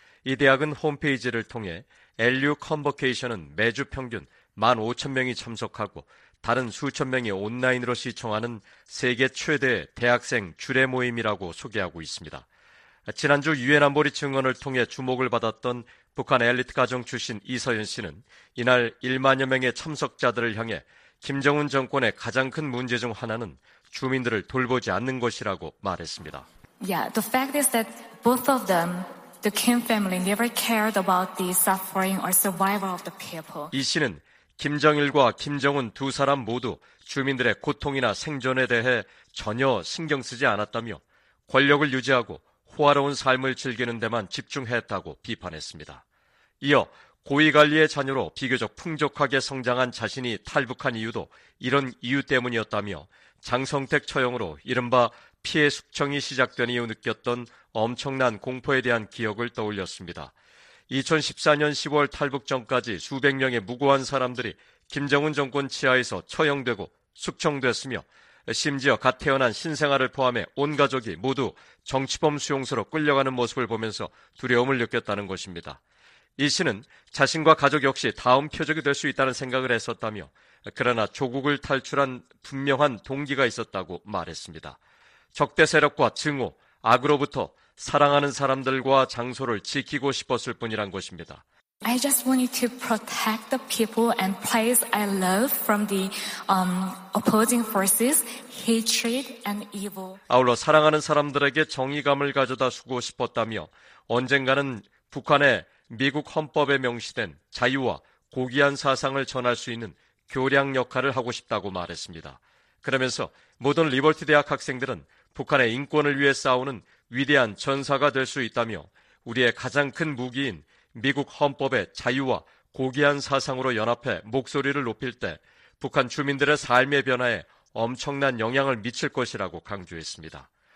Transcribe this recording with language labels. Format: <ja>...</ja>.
<ko>이 대학은 홈페이지를 통해 LU 컨버케이션은 매주 평균 15,000명이 참석하고 다른 수천 명이 온라인으로 시청하는 세계 최대의 대학생 주례 모임이라고 소개하고 있습니다. 지난주 유엔 안보리 증언을 통해 주목을 받았던 북한 엘리트 가정 출신 이서연 씨는 이날 1만여 명의 참석자들을 향해 김정은 정권의 가장 큰 문제 중 하나는 주민들을 돌보지 않는 것이라고 말했습니다.</ko> <en>Yeah, the fact is that both of them, the Kim family, never cared about the suffering or survival of the people.</en> <ko>이 씨는 김정일과 김정은 두 사람 모두 주민들의 고통이나 생존에 대해 전혀 신경 쓰지 않았다며 권력을 유지하고 호화로운 삶을 즐기는 데만 집중했다고 비판했습니다. 이어 고위관리의 자녀로 비교적 풍족하게 성장한 자신이 탈북한 이유도 이런 이유 때문이었다며 장성택 처형으로 이른바 피해 숙청이 시작된 이후 느꼈던 엄청난 공포에 대한 기억을 떠올렸습니다. 2014년 10월 탈북 전까지 수백 명의 무고한 사람들이 김정은 정권 치하에서 처형되고 숙청됐으며 심지어 갓 태어난 신생아를 포함해 온 가족이 모두 정치범 수용소로 끌려가는 모습을 보면서 두려움을 느꼈다는 것입니다. 이 씨는 자신과 가족 역시 다음 표적이 될 수 있다는 생각을 했었다며 그러나 조국을 탈출한 분명한 동기가 있었다고 말했습니다. 적대 세력과 증오, 악으로부터 사랑하는 사람들과 장소를 지키고 싶었을 뿐이란 것입니다.</ko> <en>I just wanted to protect the people and place I love from the opposing forces, hatred and evil.</en> <ko>아울러 사랑하는 사람들에게 정의감을 가져다 주고 싶었다며 언젠가는 북한에 미국 헌법에 명시된 자유와 고귀한 사상을 전할 수 있는 교량 역할을 하고 싶다고 말했습니다. 그러면서 모든 리버티 대학 학생들은 북한의 인권을 위해 싸우는 위대한 전사가 될 수 있다며 우리의 가장 큰 무기인 미국 헌법의 자유와 고귀한 사상으로 연합해 목소리를 높일 때 북한 주민들의 삶의 변화에 엄청난 영향을 미칠 것이라고 강조했습니다.</ko>